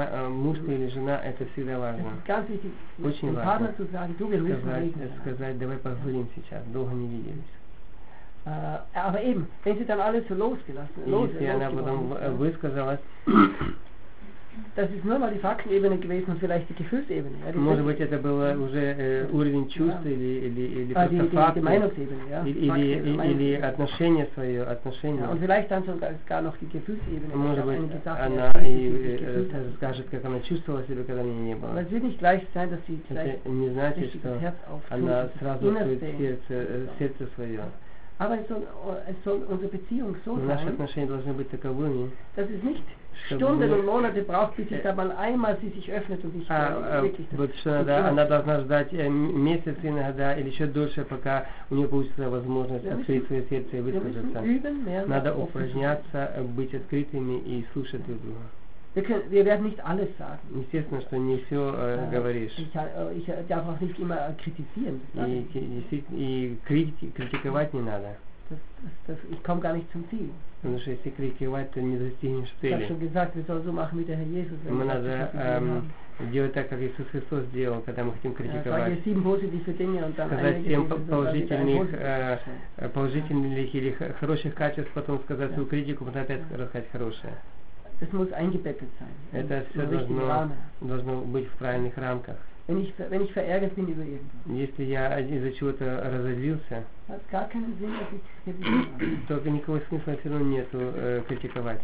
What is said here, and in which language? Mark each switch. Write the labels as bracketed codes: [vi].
[ru] Муж ты или жена, это всегда важно. Очень важно сказать, давай поговорим сейчас, долго не виделись. [de] Aber eben, wenn sie dann alles so losgelassen, [ru] если она потом высказалась, [de] das ist nur mal die Faktenebene gewesen und vielleicht die Gefühlsebene. Ja, die [ru] может быть, это был уже уровень чувств или просто факт. Или отношение свое, отношение. [de] Und vielleicht dann sogar gar noch die Gefühlsebene. [ru] Может быть, она и расскажет, как она чувствовала себя, когда меня не было. [de] Aber es wird nicht gleich sein, dass sie gleich das Herz aufschlägt. [ru] Она сразу откроет сердце свое. [de] Aber es soll unsere Beziehung so sein. [ru] Наши отношения должны быть таковыми. [de] Das ist nicht Stunden und Monate braucht, bis sich da mal einmal sie sich öffnet und sich wirklich. [ru] Вот да, она должна ждать месяц иногда или еще дольше, пока у нее получится возможность открыть свое сердце и высказаться. Надо упражняться, быть открытыми и слушать друг друга. [de] Wir werden nicht alles sagen. [ru] Естественно, что не все говоришь. [de] Ich darf auch nicht immer kritisieren. [ru] И критиковать не надо. [de] Ich komme gar nicht zum Ziel. [ru] Потому что если критиковать, то не достигнешь цели. [de] Ich habe schon gesagt, wir sollen so machen mit der Herr Jesus. [ru] Мы надо делать так, как Иисус Христос сделал, когда мы хотим критиковать. [de] Sagen wir 7 positive Dinge und dann [ru] сказать 7 положительных, положительных или хороших качеств, потом сказать свою критику, потом опять рассказать хорошее. [de] Das muss eingebettet sein. [ru] Это все должно быть в правильных рамках. [de] Wenn ich verärgert bin über irgendwas. [ru] Если я из-за чего-то разозлился, [de] hat gar keinen Sinn, dass ich [ru] то никакого смысла все равно нету критиковать.